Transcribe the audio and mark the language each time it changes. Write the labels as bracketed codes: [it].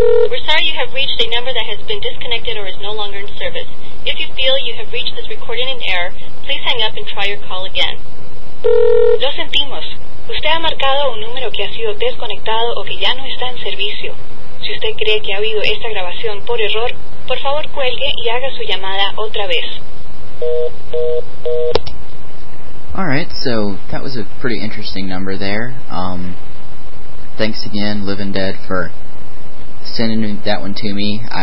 [en] We're sorry you have reached a number that has been disconnected or is no longer in service. If you feel you have reached this recording in error, please hang up and try your call again. [es] Lo sentimos. Usted ha marcado un número que ha sido desconectado o que ya no está en servicio. Si usted cree que ha habido esta grabación por error, por favor cuelgue y haga su llamada otra vez. [en] Alright, so that was a pretty interesting number there. Thanks again, Living Dead, for sending that one to me.